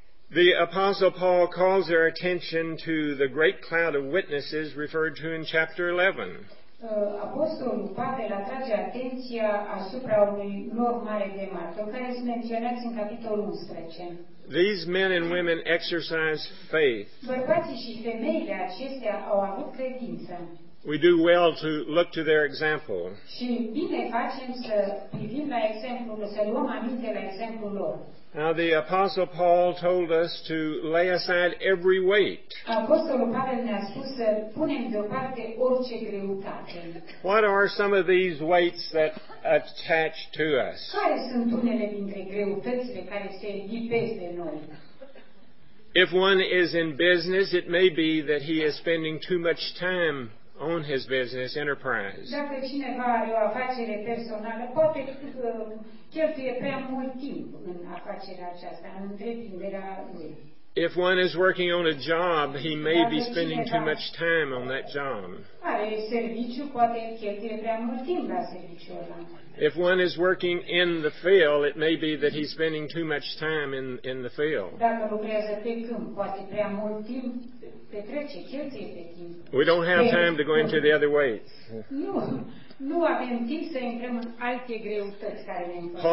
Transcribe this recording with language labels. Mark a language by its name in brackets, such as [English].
[English] The Apostle Paul calls our attention to the great cloud of witnesses referred to in chapter 11. [Romanian] Apostolul Pavel atrage atenția asupra unui nor mare de martori care sunt menționați în capitolul 11. [English] These men and women exercise faith. [Romanian] Bărbații și femeile acestea au avut credință. [English] We do well to look to their example. [Romanian] Și bine facem să privim la exemplul, să luăm aminte la exemplul lor. [English] Now the Apostle Paul told us to lay aside every weight. [Romanian] Apostolul Pavel ne-a spus să punem deoparte orice greutate. [English] What are some of these weights that attach to us? [Romanian] Care sunt unele dintre greutățile care se lipesc de noi? [English] If one is in business, it may be that he is spending too much time on his business enterprise. [Romanian] Dacă cineva are o afacere personală, poate cheltuie prea mult timp în afacerea aceasta, în întreprinderea lui. [English] If one is working on a job, he may be spending too much time on that job. [Romanian] Are serviciu, poate cheltuie prea mult timp la serviciul ăla. [English] If one is working in the field, it may be that he's spending too much time in the field. [Romanian] Dacă lucrează pe câmp, poate prea mult timp petrece, cheltuie pe timp. [English] We don't have time to go into the other weights. [Romanian] Nu avem timp să intrăm în alte greutăți care ne împărtășesc.